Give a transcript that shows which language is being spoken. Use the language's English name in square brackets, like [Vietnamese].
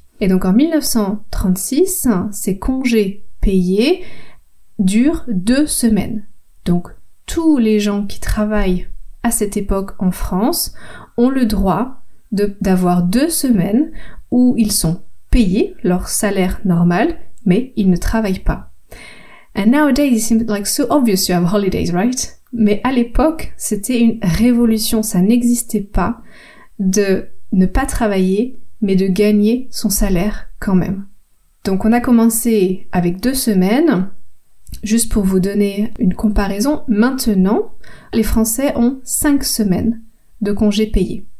[French] Et donc en 1936, ces congés payés durent 2 semaines. Donc tous les gens qui travaillent à cette époque en France ont le droit d'avoir 2 semaines où ils sont payés leur salaire normal, mais ils ne travaillent pas. [English] And nowadays it seems like so obvious you have holidays, right? [French] Mais à l'époque, c'était une révolution, ça n'existait pas de ne pas travailler, mais de gagner son salaire quand même. Donc on a commencé avec 2 semaines. Juste pour vous donner une comparaison, maintenant, les Français ont 5 semaines de congés payés.